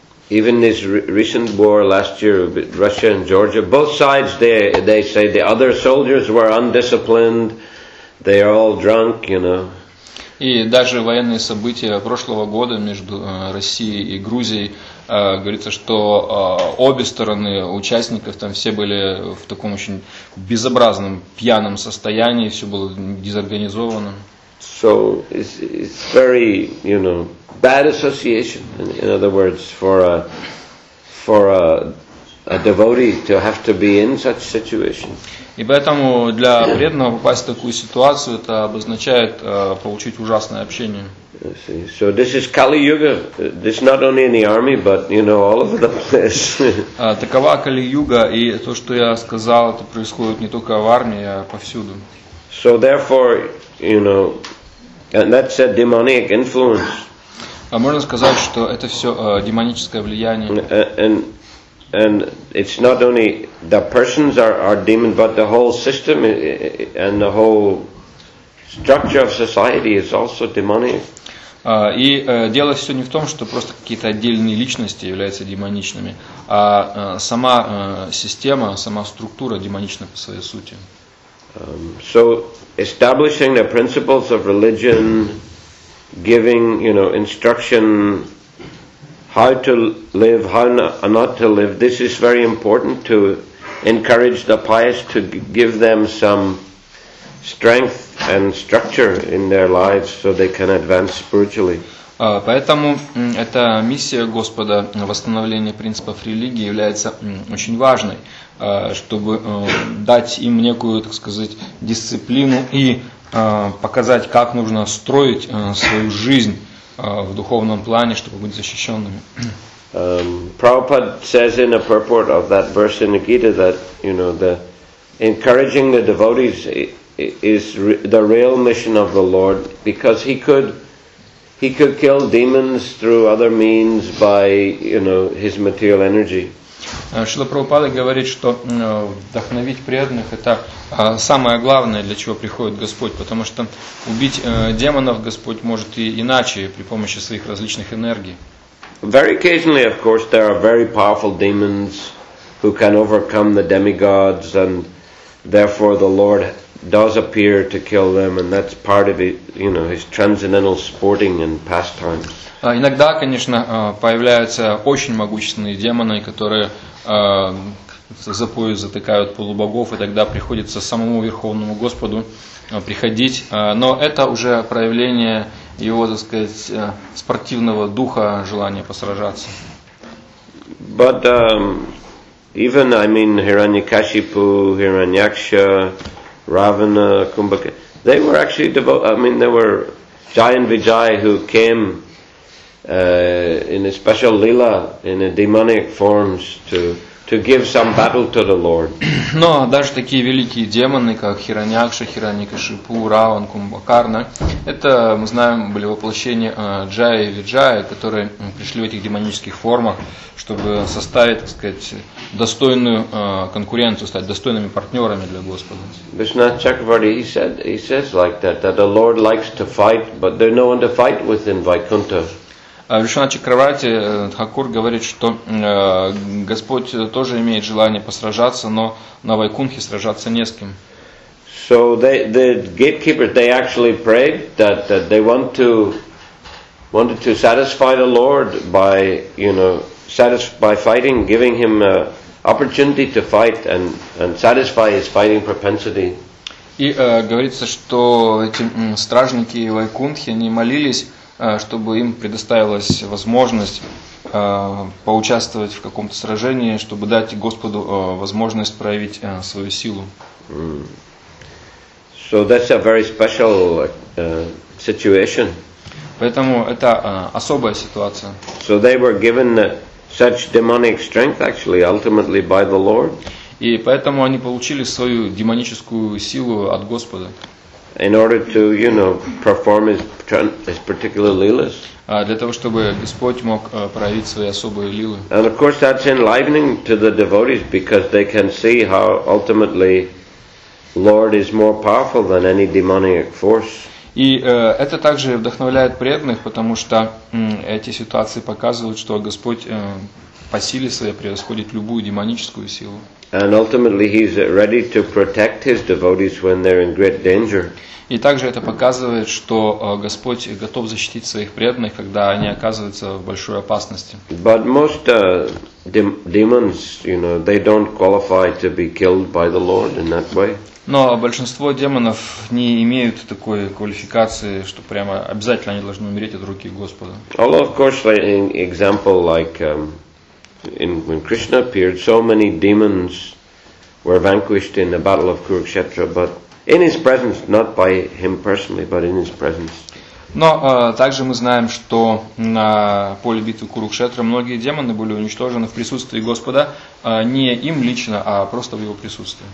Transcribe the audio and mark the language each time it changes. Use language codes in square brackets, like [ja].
[en] Even this recent war last year, Russia and Georgia, both sides, they say the other soldiers were undisciplined, they are all drunk, you know. [ru] И даже военные события прошлого года между Россией и Грузией, говорится, что обе стороны участников там все были в таком очень безобразном пьяном состоянии, все было дезорганизовано. [en] So it's very, you know, bad association, in other words, for a devotee to have to be in such situation. [ru] И поэтому для преданного попасть в такую ситуацию, это обозначает получить ужасное общение. [en] So this is Kali Yuga. This not only in the army, but, you know, all over the place. [ru] Такова Кали Юга, и то, что я сказал, это происходит не только в армии, а повсюду. [en] So therefore, you know, and that's a demonic influence. [ru] А можно сказать, что это все демоническое влияние? [en] And it's not only the persons are demons, but the whole system and the whole structure of society is also demonic. [ru] И дело все не в том, что просто какие-то отдельные личности являются демоничными, а сама система, сама структура демонична по своей сути. [en] So establishing the principles of religion, giving, you know, instruction how to live, how not to live, this is very important to encourage the pious, to give them some strength and structure in their lives so they can advance spiritually. [ru] Поэтому эта миссия Господа, восстановление принципов религии, является очень важной, чтобы дать им некую, так сказать, дисциплину и показать, как нужно строить свою жизнь в духовном плане, чтобы быть защищенными. [en] Prabhupada says in a purport of that verse in the Gita that, you know, the encouraging the devotees is the real mission of the Lord, because he could kill demons through other means by, you know, his material energy. [ru] Шрила Прабхупада говорит, что вдохновить преданных – это самое главное, для чего приходит Господь, потому что убить демонов Господь может и иначе, при помощи своих различных энергий. [en] Very occasionally, of course, there are very powerful demons who can overcome the demigods, and therefore the Lord does appear to kill them, and that's part of it, you know, his transcendental sporting and pastimes. [ru] Иногда, конечно, появляются очень могущественные демоны, которые за пояс затыкают полубогов, и тогда приходится самому Верховному Господу приходить. Но это уже проявление его, так сказать, спортивного духа, желания посражаться. [en] But even, I mean, Hiranyakashipu, Hiranyaksha, Ravana, Kumbhaka, they were actually Jayan Vijay who came in a special lila, in a demonic forms, to give some battle to the Lord. [ru] Но даже такие великие демоны, как Хираньякша, Хираньякашипу, Раван, Кумбхакарна, это, мы знаем, были воплощения Джая и Виджая, которые пришли в этих демонических формах, чтобы составить, так сказать, достойную конкуренцию, стать достойными партнерами для Господа. [en] Vishnath Chakravarti, he says like that the Lord likes to fight, but there's no one to fight with in Vaikuntha. [ru] Вишна Чакравати Тхакур говорит, что Господь тоже имеет желание посражаться, но на Вайкунхе сражаться не с кем. [en] So the gatekeepers, they actually prayed that they wanted to satisfy the Lord by, you know, by fighting, giving him opportunity to fight and satisfy his fighting propensity. [ru] И говорится, что эти стражники Вайкунхи, они молились, чтобы им предоставилась возможность поучаствовать в каком-то сражении, чтобы дать Господу возможность проявить свою силу. Mm. [en] So that's a very special situation. [ru] Поэтому это особая ситуация. [en] So they were given such demonic strength, actually, ultimately by the Lord. [ru] И поэтому они получили свою демоническую силу от Господа. [en] In order to, you know, perform his particular lilas. [ru] Для того, чтобы Господь мог проявить свои особые лилы. [en] And of course that's enlivening to the devotees, because they can see how ultimately Lord is more powerful than any demonic force. [ru] И это также вдохновляет преданных, потому что эти ситуации показывают, что Господь по силе своей превосходит любую демоническую силу. [en] And ultimately he's ready to protect his devotees when they're in great danger. [ru] И также это показывает, что Господь готов защитить своих преданных, когда они оказываются в большой опасности. [en] But most demons, you know, they don't qualify to be killed by the Lord in that way. [ru] Но большинство демонов не имеют такой квалификации, что прямо обязательно они должны умереть от руки Господа. [en] Although, of course, an example like when Krishna appeared, so many demons were vanquished in the battle of Kurukshetra, but in his presence, not by him personally, but in his presence. [ru] Но также мы знаем, что на поле битвы Курукшетра многие демоны были уничтожены в присутствии Господа, не им лично, а просто в его присутствии.